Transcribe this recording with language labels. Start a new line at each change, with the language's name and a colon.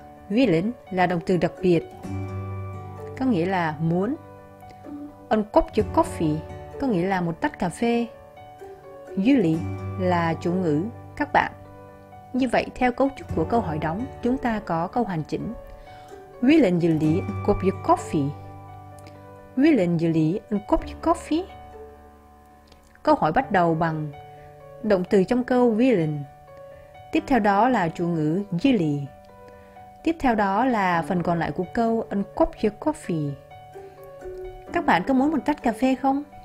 Vietnamese: Willen là động từ đặc biệt, có nghĩa là muốn.
Dutch: En kopje koffie
Vietnamese: có nghĩa là một tách cà phê. Jullie là chủ ngữ, các bạn. Như vậy, theo cấu trúc của câu hỏi đóng, chúng ta có câu hoàn chỉnh.
Dutch: Willen jullie en kopje koffie? Willen jullie een kopje koffie?
Vietnamese: Câu hỏi bắt đầu bằng động từ trong câu willen. Tiếp theo đó là chủ ngữ jullie. Tiếp theo đó là phần còn lại của câu
Dutch: een kopje koffie.
Vietnamese: Các bạn có muốn một tách cà phê không?